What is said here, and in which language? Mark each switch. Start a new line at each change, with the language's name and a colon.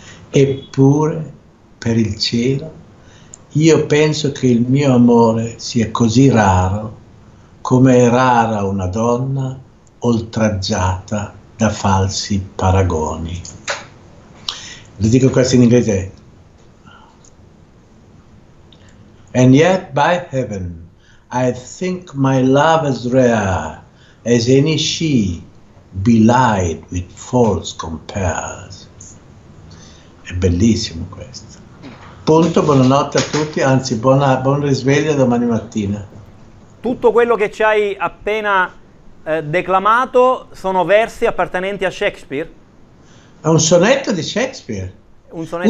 Italian: Eppure, per il cielo, io penso che il mio amore sia così raro come è rara una donna oltraggiata da falsi paragoni. Le dico questo in inglese.
English: And yet, by heaven, I think my love as rare as any she belied with false compares.
Italian: È bellissimo questo. Punto, buonanotte a tutti, anzi, buon risveglio domani mattina. Tutto quello che ci hai appena declamato sono versi appartenenti a Shakespeare? È un sonetto di Shakespeare. Un sonetto